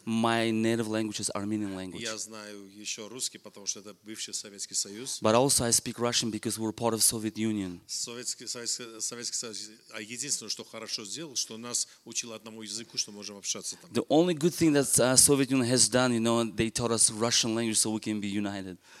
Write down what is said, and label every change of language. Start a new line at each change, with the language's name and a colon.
English: My native language is Armenian language.
Russian: Я знаю еще русский, потому что это бывший Советский Союз.
English: But also I speak Russian because we were part of Soviet Union.
Russian: Советский Союз. А единственное, что хорошо сделал, что нас учили одному языку, что можем общаться там.
English: The only good thing that Soviet Union has done, you know, they taught us Russian language so we can be united.